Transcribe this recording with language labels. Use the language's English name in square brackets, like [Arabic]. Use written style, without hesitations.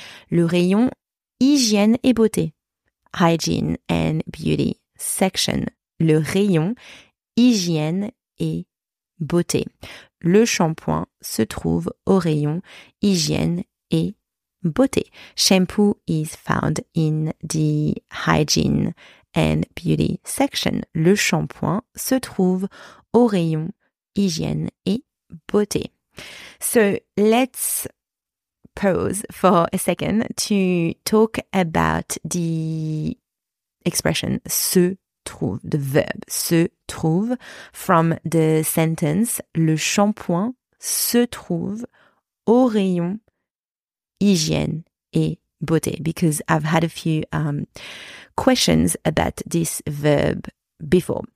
[French] Le rayon hygiène et beauté. [English] Hygiene and beauty section. [French] Le rayon hygiène et beauté. Le shampoing se trouve au rayon hygiène et beauté. [English] Shampoo is found in the hygiene and beauty section. [French] Le shampoing se trouve au rayon hygiène et beauté. [English] So let's pause for a second to talk about the expression se trouve, the verb se trouve from the sentence [French] le shampoing se trouve au rayon hygiène et beauté, [English] because I've had a few questions about this verb before.